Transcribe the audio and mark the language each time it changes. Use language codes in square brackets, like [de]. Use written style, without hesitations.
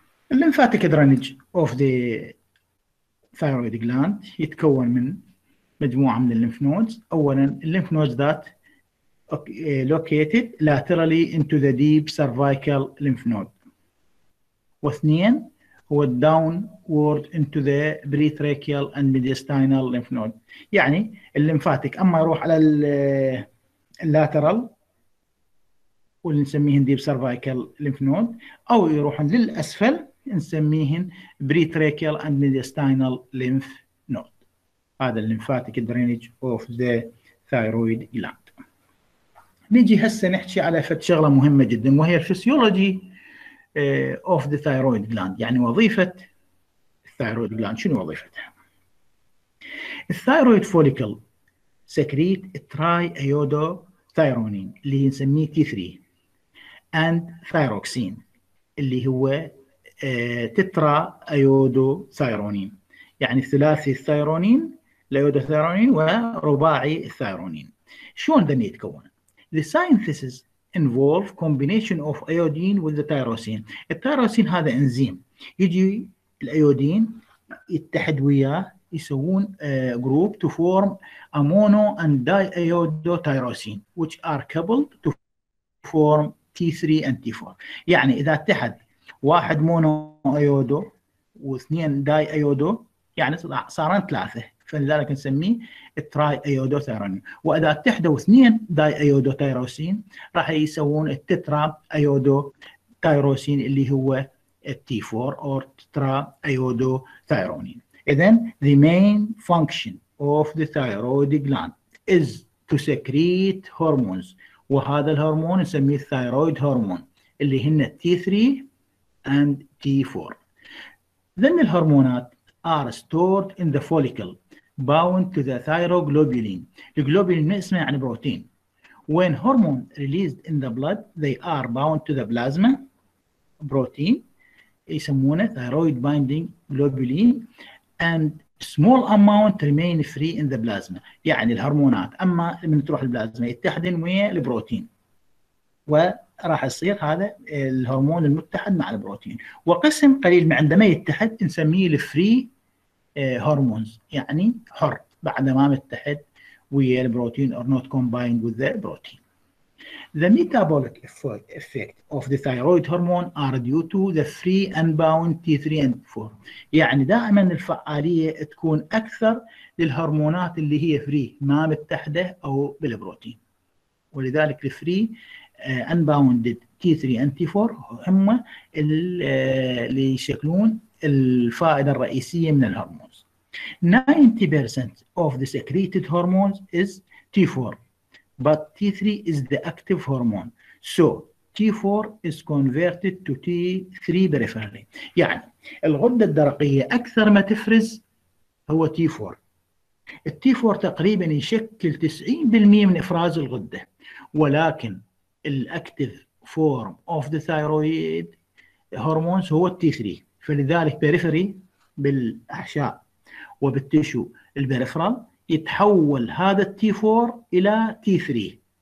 [en] lymphatic drainage of the thyroid gland [ar] يتكون من مجموعة من [en] lymph nodes. أولا lymph nodes that located laterally into the deep cervical lymph node. [ar] واثنين هو [en] downward into the pretracheal and mediastinal lymph node. [ar] يعني الليمفاتيك اما يروح على اللاترال واللي نسميهن [en] deep cervical lymph node [ar] او يروحن للاسفل نسميهن [en] pretracheal and mediastinal lymph node. [ar] هذا الليمفاتيك [en] drainage of the thyroid gland. [ar] نيجي هسه نحكي على فد شغله مهمه جدا وهي الفسيولوجي [en] of the thyroid gland. [ar] يعني وظيفة thyroid gland شنو وظيفتها؟ الثايرويد فوليكل سكريت تراي ايودو ثايرونين اللي نسميه T3 and ثايروكسين اللي هو تترا ايودو ثايرونين. يعني ثلاثي الثايرونين الايودو ثايرونين ورباعي الثايرونين. شلون ده يتكون؟ [en] The synthesis involve combination of iodine with the tyrosine. [ar] التيروسين هذا انزيم يجي الايودين يتحد وياه يسوون جروب [en] to form amino and diiodotyrosine which are coupled to form T3 and T4. [ar] يعني اذا اتحد واحد مونو ايودو واثنين داي ايودو يعني صارن ثلاثه فلذلك نسميه التراي ايودو ثايرونين. واذا اتحدوا اثنين داي ايودو تايروسين راح يسوون التترا ايودو تايروسين اللي هو التي 4 او تترا ايودو ثايرونين. [en] اذا the main function of the thyroid gland is to secrete hormones [ar] وهذا الهرمون نسميه الثايرويد هرمون اللي هن [en] التي 3 and T 4. then [ar] الهرمونات [en] are stored in the follicle bound to the thyroglobulin. The globulin [ar] اسمه يعني بروتين. [en] When hormone released in the blood, they are bound to the plasma protein. [ar] يسمونه [en] thyroid binding globulin. And small amount remain free in the plasma. [ar] يعني الهرمونات أما من تروح البلازما يتحدن ويا البروتين. وراح يصير هذا الهرمون المتحد مع البروتين. وقسم قليل ما عندما يتحد نسميه الفري هرمونز يعني حر بعد ما متحد ويا البروتين [en] or not combined with the protein. The metabolic effect of the thyroid hormone are due to the free unbound T3 and T4. [ar] يعني دائما الفعالية تكون أكثر للهرمونات اللي هي free ما متحدة أو بالبروتين. ولذلك [en] the free unbound T3 and T4 [ar] هم اللي يشكلون الفائدة الرئيسية من الهرمونز. [en] 90% of the secreted hormones is T4 but T3 is the active hormone so T4 is converted to T3 peripherally. [ar] يعني الغدة الدرقية أكثر ما تفرز هو T4 التي 4 تقريبا يشكل 90% من افراز الغده، ولكن الاكتف فورم اوف ذا ثايرويد هرمونز هو التي 3، فلذلك بيريفري بالاحشاء وبالتشو البريفرال يتحول هذا التي 4 الى تي 3.